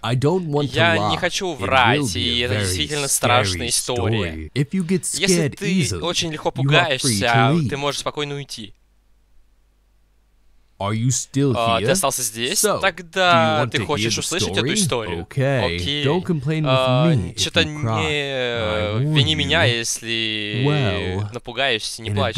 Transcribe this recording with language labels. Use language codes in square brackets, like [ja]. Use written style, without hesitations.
[en] I don't want to [ru] Я не хочу врать, и это действительно страшная история. [en] If you get scared [ru] Если ты [en] easily, [ru] очень легко пугаешься, ты можешь спокойно уйти. [en] Are you still here? [ru] Ты остался здесь? [en] So, [ru] тогда ты хочешь услышать эту историю? Окей. [en] Okay. Don't complain with me if you cry. [ru] Не вини меня, если напугаешься, не плачь.